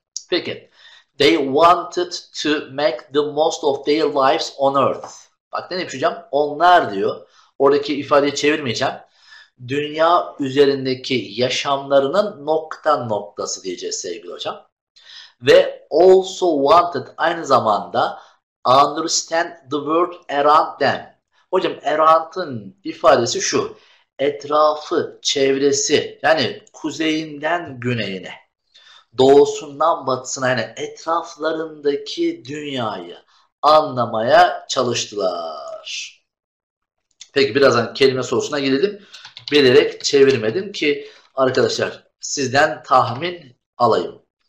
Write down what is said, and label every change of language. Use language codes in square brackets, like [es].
[en] Peki, they wanted to make the most of their lives on earth. [tr] Bak ne demiş hocam? Onlar diyor, oradaki ifadeyi çevirmeyeceğim. Dünya üzerindeki yaşamlarının nokta noktası diyeceğiz sevgili hocam. [en] Ve also wanted [tr] aynı zamanda [en] understand the world around them. [tr] Hocam Erhant'ın ifadesi şu. Etrafı, çevresi yani kuzeyinden güneyine, doğusundan batısına yani etraflarındaki dünyayı anlamaya çalıştılar. Peki birazdan kelime sorusuna gidelim. Bilerek çevirmedim ki arkadaşlar sizden tahmin alayım.